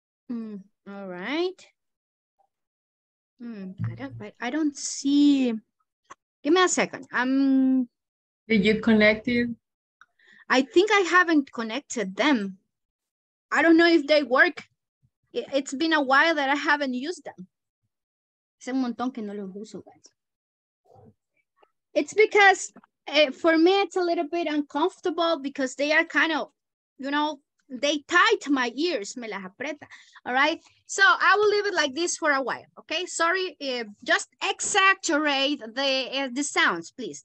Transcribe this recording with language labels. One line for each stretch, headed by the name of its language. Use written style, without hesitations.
English: All right. I don't see. Give me a second. Did you connect it? I think I haven't connected them. I don't know if they work. It's been a while that I haven't used them.
Spanish: Es un montón que no los uso, guys.
English: It's because for me, it's a little bit uncomfortable because they are kind of, you know, they tight my ears.
Spanish: Me las aprieta.
English: All right. So I will leave it like this for a while. Okay. Sorry. Just exaggerate the sounds, please.